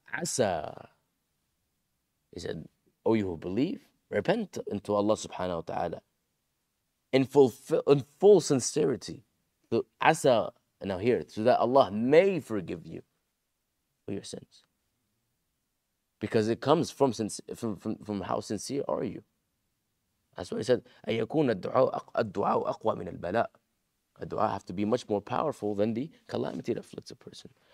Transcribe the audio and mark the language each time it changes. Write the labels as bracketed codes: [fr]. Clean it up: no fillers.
[en] Asa, he said, oh, you who believe, repent unto Allah subhanahu wa ta'ala in full sincerity. So, asa, now hear it, so that Allah may forgive you for your sins. Because it comes from how sincere are you. That's why he said, [ar] أَيَكُونَ الدُّعَاءُ أَقْوَى مِنَ الْبَلَاءُ. [en] A dua have to be much more powerful than the calamity that afflicts a person.